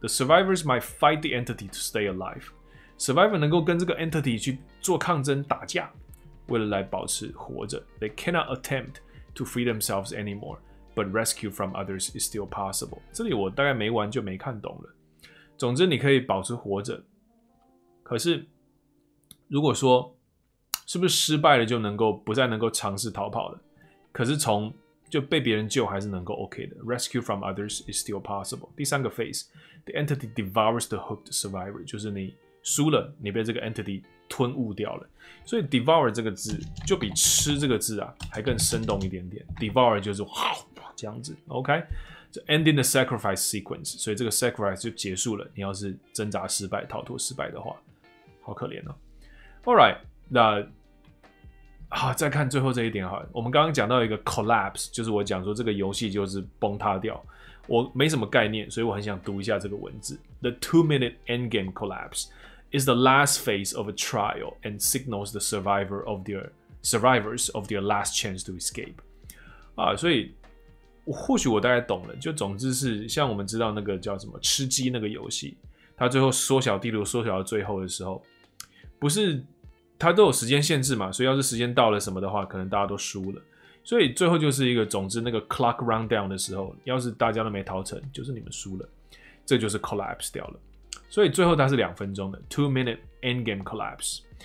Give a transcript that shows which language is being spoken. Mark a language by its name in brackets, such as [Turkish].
[English] The survivors might fight the entity to stay alive. [Chinese] Survivor 能够跟这个 entity 去做抗争打架为了来保持活着。 [English] They cannot attempt to free themselves anymore, but rescue from others is still possible. [Chinese] 这里我大概没玩就没看懂了。总之你可以保持活着。可是如果说是不是失败了就能够不再能够尝试逃跑了可是从就被别人救还是能够 OK 的 [English] Rescue from others is still possible [Chinese] 第三个 phase [English] The entity devours the hooked survivor [Chinese] 就是你输了你被这个 entity 吞误掉了所以 devour 这个字就比吃这个字啊还更生动一点点 devour 就是哇这样子 OK [English] So ending the sacrifice sequence [Chinese] 所以这个 sacrifice 就结束了你要是挣扎失败逃脱失败的话好可怜哦 Alright那好，再看最后这一点哈。我们刚刚讲到一个 collapse， 就是我讲说这个游戏就是崩塌掉。我没什么概念，所以我很想读一下这个文字。 [English] The two-minute endgame collapse is the last phase of a trial and signals the survivors of their last chance to escape。 [Chinese] 啊，所以或许我大概懂了。就总之是像我们知道那个叫什么吃鸡那个游戏，它最后缩小地图缩小到最后的时候，不是。它都有时间限制嘛，所以要是时间到了什么的话，可能大家都输了。所以最后就是一个，总之那个 clock round down 的时候，要是大家都没逃成，就是你们输了，这就是 collapse 掉了。所以最后它是两分钟的 two minute end game collapse。